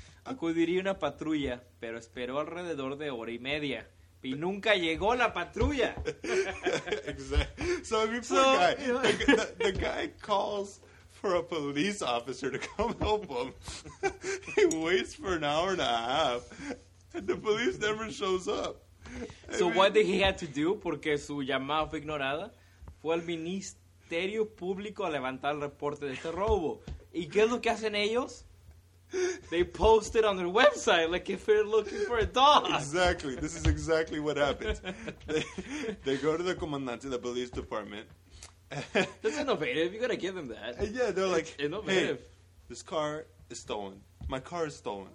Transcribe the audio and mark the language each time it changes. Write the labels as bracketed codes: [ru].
[es] Acudiría una patrulla, pero esperó alrededor de hora y media. Y nunca llegó la patrulla. [en] Exactly. So, poor guy. The guy calls for a police officer to come help him. He waits for an hour and a half, and the police never shows up. What did he have to do? [es] Porque su llamada fue ignorada. Fue al Ministerio Público a levantar el reporte de este robo. ¿Y qué es lo que hacen ellos? [en] They post it on their website like if they're looking for a dog. Exactly. This is exactly what happens. They go to the comandante, the police department. That's innovative. You gotta give them that. And yeah, they're like, innovative. Hey, this car is stolen. My car is stolen.